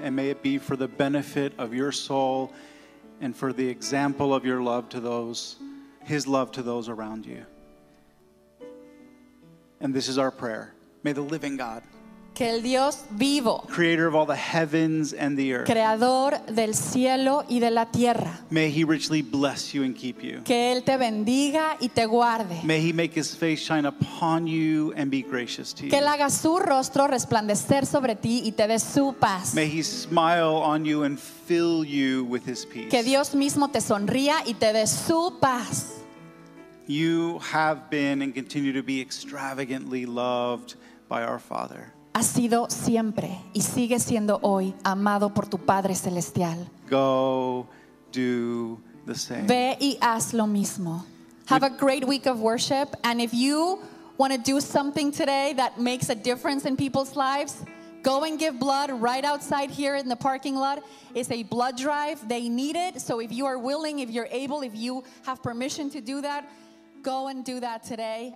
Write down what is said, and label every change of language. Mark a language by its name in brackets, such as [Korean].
[English] And may it be for the benefit of your soul and for the example of your love to those, his love to those around you. And this is our prayer. May the living God, [Spanish] que el Dios vivo, [English] creator of all the heavens and the earth, [Spanish] creador del cielo y de la tierra, [English] may he richly bless you and keep you, [Spanish] que él te bendiga y te guarde, [English] may he make his face shine upon you and be gracious to you, [Spanish] que él haga su rostro resplandecer sobre ti y te dé su paz, [English] may he smile on you and fill you with his peace, [Spanish] que Dios mismo te sonría y te dé su paz. [English] You have been and continue to be extravagantly loved by our Father. [Spanish] Ha sido siempre y sigue siendo hoy amado por tu Padre Celestial. [English] Go do the same. [Spanish] Ve y haz lo mismo. [English] Have a great week of worship. And if you want to do something today that makes a difference in people's lives, go and give blood right outside here in the parking lot. It's a blood drive. They need it. So if you are willing, if you're able, if you have permission to do that, go and do that today.